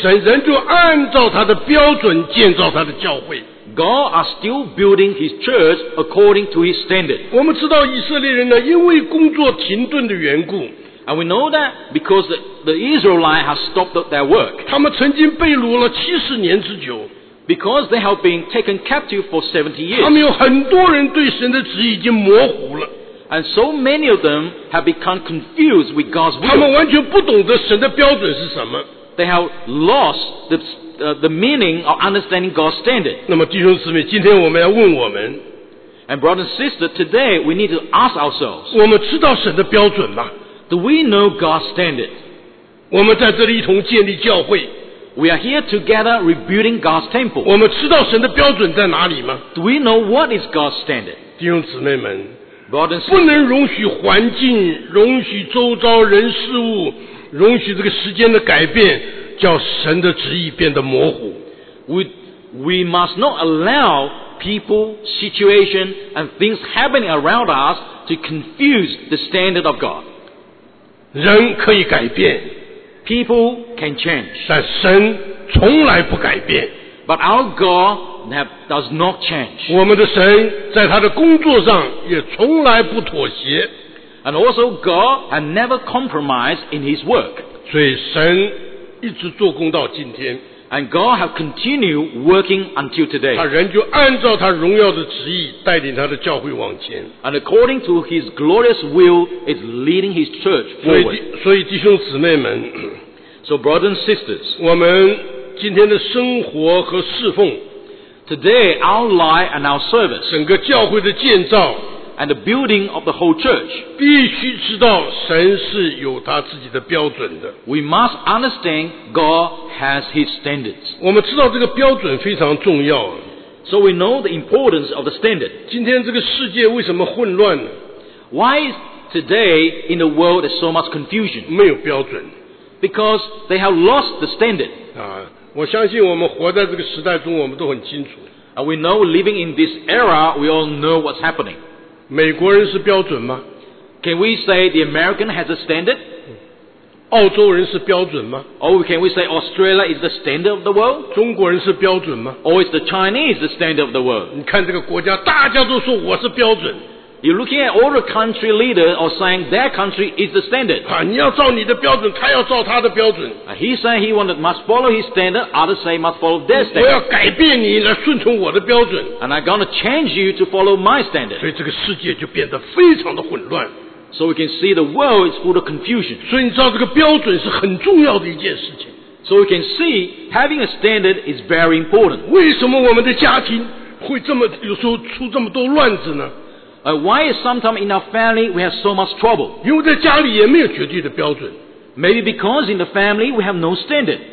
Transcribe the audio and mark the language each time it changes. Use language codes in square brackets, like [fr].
[zh] 神仍旧按照他的标准建造他的教会。 [en] God are still building His church according to His standard. [zh] 我们知道以色列人呢，因为工作停顿的缘故 [en] ，and we know that because the Israelite has stopped their work. [zh] 他们曾经被掳了70年之久 [en] Because they have been taken captive for 70 years. [zh] 他们有很多人对神的旨意已经模糊了。 [en] And so many of them have become confused with God's will. [zh] 他们完全不懂得神的标准是什么。 [en] They have lost the meaning of understanding God's standard. [zh] 那么弟兄姊妹，今天我们要问我们。 [en] And brother and sister, today we need to ask ourselves. [zh] 我们知道神的标准吗？ [en] Do we know God's standard? [zh] 我们在这里一同建立教会。 [en] We are here together rebuilding God's temple. [zh] 我们知道神的标准在哪里吗？ [en] Do we know what is God's standard? [zh] 弟兄姊妹们， [en] Brothers, [zh] 不能容许环境，容许周遭人事物，容许这个时间的改变，叫神的旨意变得模糊。 [en] We must not allow people, situation, and things happening around us to confuse the standard of God. [zh] 人可以改变。 [en] People can change. [zh] 但神从来不改变。 [en] But our God does not change. [zh] 我们的神在他的工作上也从来不妥协。 [en] And also God has never compromised in his work. [zh] 所以神一直做工到今天。 [en] And God has continued working until today. [zh] 他仍旧按照他荣耀的旨意带领他的教会往前。 [en] And according to his glorious will, is leading his church forward. [zh] 所以弟兄姊妹们， [en] So brothers and sisters, [zh] 我们今天的生活和侍奉， [en] Today our life and our service, [zh] 整个教会的建造， [en] And the building of the whole church, [zh] 必须知道神是有他自己的标准的。 [en] We must understand GodHas his standards. [zh] 我们知道这个标准非常重要。 [en] So we know the importance of the standard. [zh] 今天这个世界为什么混乱？ [en] Why is today in the world there's so much confusion? [zh] 没有标准。 [en] Because they have lost the standard. [zh] 我相信我们活在这个时代中，我们都很清楚。 [en] And we know living in this era, we all know what's happening. [zh] 美国人是标准吗？ [en] Can we say the American has a standard? [zh] 澳洲人是标准吗？ [en] Or can we say Australia is the standard of the world? [zh] 中国人是标准吗？ [en] Or is the Chinese the standard of the world? [zh] 你看这个国家，大家都说我是标准。 [en] You're looking at all the country leaders or saying their country is the standard. [zh] 啊，你要照你的标准，他要照他的标准。 [en] He saying he wanted must follow his standard, others say must follow their standard. [zh] 我要改变你来顺从我的标准。 [en] And I'm going to change you to follow my standard. [zh] 所以这个世界就变得非常的混乱。 [en] So we can see the world is full of confusion. [zh] 所以你知道这个标准是很重要的一件事情。 [en] So we can see having a standard is very important. [zh] 为什么我们的家庭会这么有时候出这么多乱子呢？ [en] Why is sometimes in our family we have so much trouble? [zh] 因为在家里也没有绝对的标准。 [en] Maybe because in the family we have no standard.